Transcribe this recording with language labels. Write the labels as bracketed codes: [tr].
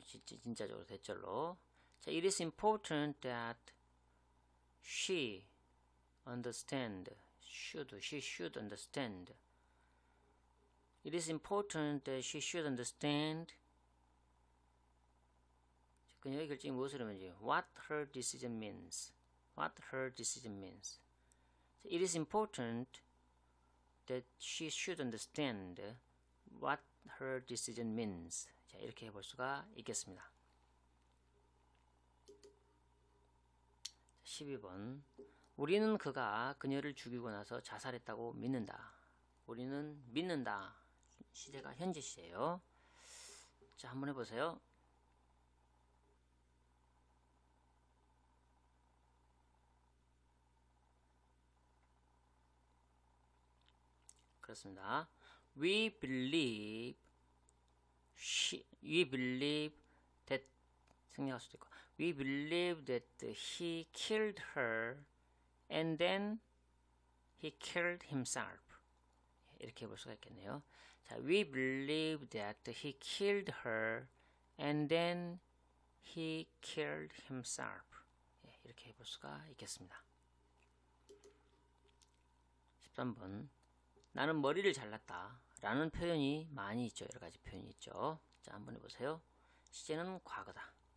[ko] 진짜적으로 대절로. [en] 자, it is important that she understand. She should understand. It is important that she should understand. [ko] 자, 그녀의 결정이 무엇을 의미하는지. [en] What her decision means. What her decision means. It is important that she should understand what her decision means. [ko] 자, 이렇게 해볼 수가 있겠습니다. 12번. 우리는 그가 그녀를 죽이고 나서 자살했다고 믿는다. 우리는 믿는다. 시제가 현재 시제예요. 자, 한번 해보세요. 그렇습니다. [en] We believe that [ko] 생략할 수도 있고 [en] We believe that he killed her and then He killed himself. [ko] 이렇게 볼 수가 있겠네요. [en] 자, we believe that he killed her and then he killed himself. [ko] 이렇게 볼 수가 있겠습니다. 13번. 나는 머리를 잘랐다. 라는 표현이 많이 있죠. 여러 가지 표현이 있죠. 자, 한번 해보세요. 시제는 과거다.